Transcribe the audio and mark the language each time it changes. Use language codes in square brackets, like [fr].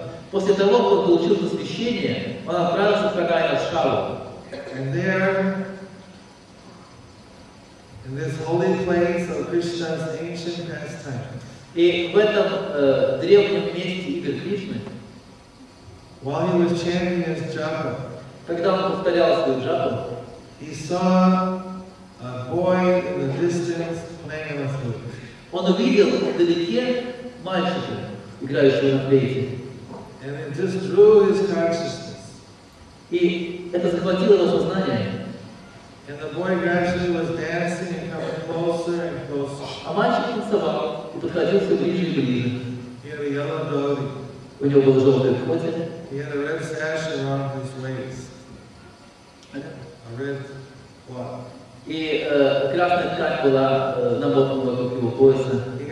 [ru] После того, как он получил посвящение, он отправился в Кагайя-Шхаву. [en] And there, in this holy place of Krishna's ancient pastime, [ru] и в этом древнем месте игр Кришны, [en] while he was chanting his japa, [ru] когда он повторял свою джапу, [en] he saw a boy in the distance playing on a flute. [ru] Он увидел вдалеке мальчика, играющего на флейте. [en] And it just drew his consciousness. [ru] И это захватило его сознание. [en] And the boy gradually was dancing and coming closer and closer. [ru] А мальчик танцевал и подходил все ближе и ближе. [en] He had a yellow dog. [ru] У него был желтый котик. [en] He had a red sash around his waist. A red what? [ru] И красная ткань была на боку вокруг его пояса.